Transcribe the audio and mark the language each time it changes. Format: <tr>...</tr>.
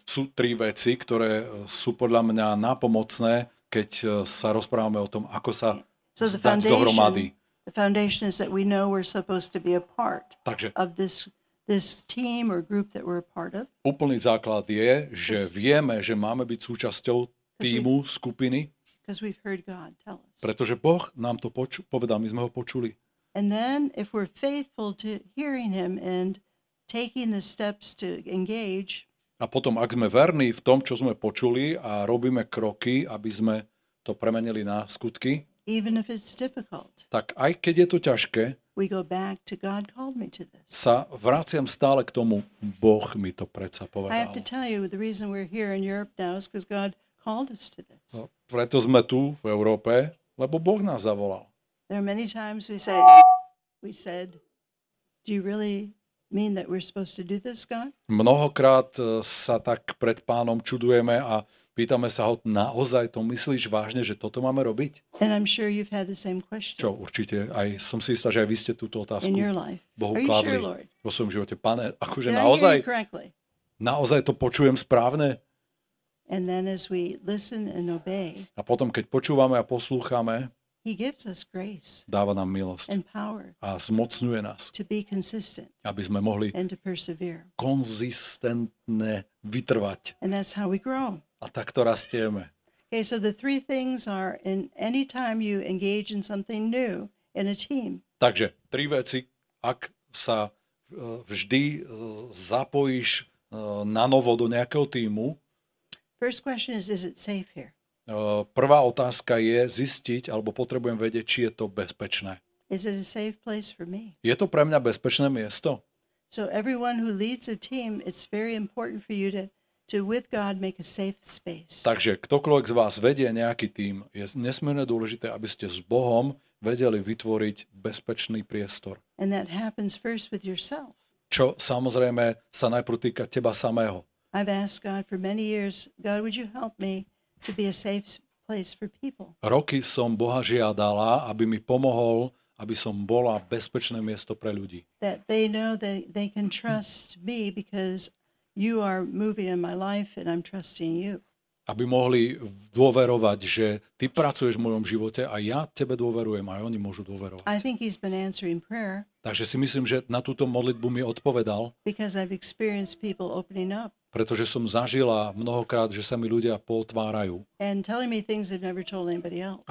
<sk>Sú tri veci, ktoré sú podľa mňa napomocné, keď sa rozprávame o tom, ako sa dať dohromady.</sk> <en>The foundation is that we know we're supposed to be a part of this team or group that we're a part of.</en> <sk>Úplný základ je, že vieme, že máme byť súčasťou tímu, skupiny.</sk> <en>Because we've heard God tell us.</en> <sk>Pretože Boh nám to povedal, my sme ho počuli.</sk> <en>And then if we're faithful to hearing him and taking the steps to engage.</en> <sk>A potom ak sme verní v tom, čo sme počuli a robíme kroky, aby sme to premenili na skutky.</sk> <en>Even if it's difficult.</en> <sk>Tak aj keď je to ťažké.</sk> <en>We go back to God called me to this.</en> <sk>Sa vraciam stále k tomu, Boh mi to predsa povedal.</sk> <en>I have to tell you the reason we're here in Europe now is because God called us to this.</en> <sk>Preto sme tu v Európe, lebo Boh nás zavolal.</sk> <en>There are many times we said, do you really mean that we're supposed to do this, God?</en> <sk>Mnohokrát sa tak pred Pánom čudujeme a pýtame sa ho, naozaj to myslíš vážne, že toto máme robiť?</sk> <en>And I'm sure you've had the same question.</en> <sk>Čo určite, aj som si istá, že aj vy ste túto otázku Bohu kladli vo svojom živote. Pane, akože naozaj to počujem správne?</sk> <en>And then as we listen and obey.</en> <sk>A potom keď počúvame a poslúchame.</sk> <en>He gives us grace.</en> <sk>Dáva nám milosť.</sk> <en>And power.</en> <sk>A zmocňuje nás.</sk> <en>To be consistent.</en> <sk>Aby sme mohli konzistentne vytrvať.</sk> <en>And that's how we grow.</en> <sk>A takto rastieme.</sk> <en>Okay, so the three things are in any time you engage in something new in a team.</en> <sk>Takže tri veci, ak sa vždy zapojíš na novo do nejakého týmu.</sk> <en>First question is it safe here?</en> <sk>Prvá otázka je zistiť, alebo potrebujem vedieť, či je to bezpečné.</sk> <en>Is it a safe place for me?</en> <sk>Je to pre mňa bezpečné miesto?</sk> <en>So everyone who leads a team, it's very important for you to with God make a safe space.</en> <sk>Takže ktokoľvek z vás vedie nejaký tým, je nesmierne dôležité, aby ste s Bohom vedeli vytvoriť bezpečný priestor.</sk> <en>And that happens first with yourself.</en> <sk>Čo samozrejme sa najprv týka teba samého.</sk> <en>I've asked God for many years, God, would you help me to be a safe place for people?</en> <sk>Roky som Boha žiadala, aby mi pomohol, aby som bola bezpečné miesto pre ľudí.</sk> <en>That they know that they can trust me because you are moving in my life and I'm trusting you.</en> <sk>Aby mohli dôverovať, že ty pracuješ v mojom živote a ja tebe dôverujem a oni môžu dôverovať.</sk> <en>I think he's been answering prayer.</en> <sk>Takže si myslím, že na túto modlitbu mi odpovedal.</sk> <en>Because I've experienced people opening up.</en> <sk>Pretože som zažila mnohokrát, že sa mi ľudia pootvárajú.</sk> <en>And telling me things they've never told anybody else.</en>